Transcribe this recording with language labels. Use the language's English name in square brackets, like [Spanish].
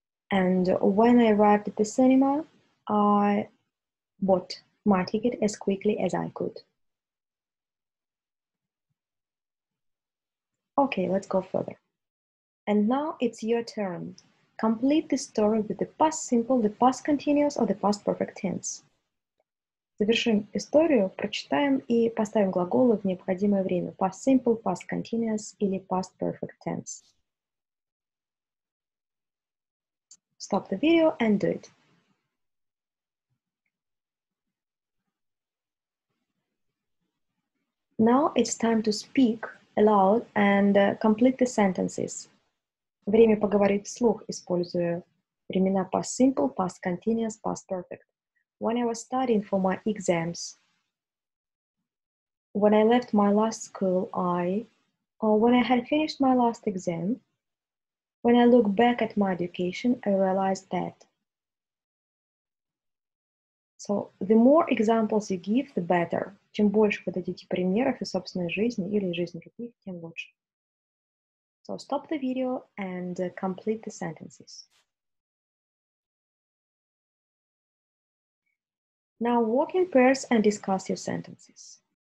[English] And when I arrived at the cinema, I bought my ticket as quickly as I could. Okay, let's go further. And now it's your turn. Complete the story with the past simple, the past continuous, or the past perfect tense. [Russian] Завершим историю, прочитаем и поставим глаголы в необходимое время. [English] Past simple, past continuous [Russian] или [English] past perfect tense. Stop the video and do it. Now it's time to speak aloud and complete the sentences. [Russian] Время поговорить вслух, используя времена [English] past simple, past continuous, past perfect. When I was studying for my exams, when I left my last school, when I had finished my last exam, when I look back at my education, I realized that. So the more examples you give, the better. [Russian] Чем больше вы дадите примеров из собственной жизни или жизни других, тем лучше. [English] So stop the video and complete the sentences. Now walk in pairs and discuss your sentences.